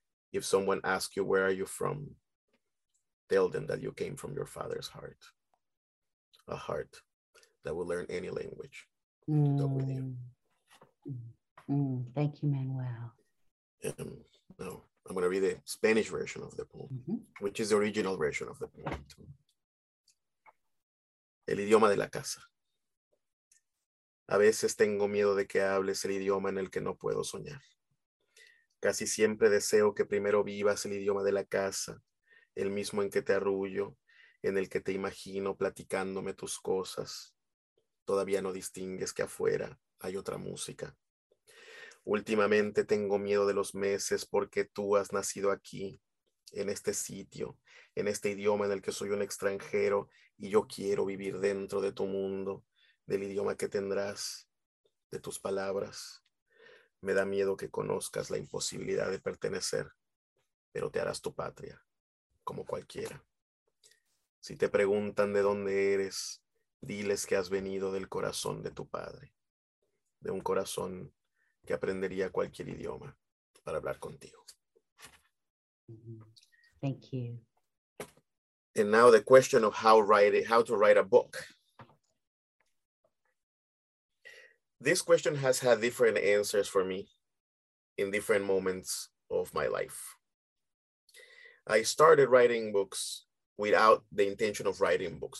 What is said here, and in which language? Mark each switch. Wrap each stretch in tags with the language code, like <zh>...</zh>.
<en>If someone asks you, where are you from? Tell them that you came from your father's heart, a heart that will learn any language to talk with you. Thank you, Manuel. Now, I'm going to read the Spanish version of the poem, which is the original version of the poem.</en> <es>El idioma de la casa. A veces tengo miedo de que hables el idioma en el que no puedo soñar. Casi siempre deseo que primero vivas el idioma de la casa, el mismo en que te arrullo, en el que te imagino platicándome tus cosas. Todavía no distingues que afuera hay otra música. Últimamente tengo miedo de los meses porque tú has nacido aquí, en este sitio, en este idioma en el que soy un extranjero y yo quiero vivir dentro de tu mundo, del idioma que tendrás, de tus palabras. Me da miedo que conozcas la imposibilidad de pertenecer, pero te harás tu patria, como cualquiera. Si te preguntan de dónde eres, diles que has venido del corazón de tu padre, de un corazón que aprendería cualquier idioma para hablar contigo.</es> <en>Thank you. And now the question of how to write a book. This question has had different answers for me in different moments of my life. I started writing books without the intention of writing books.</en>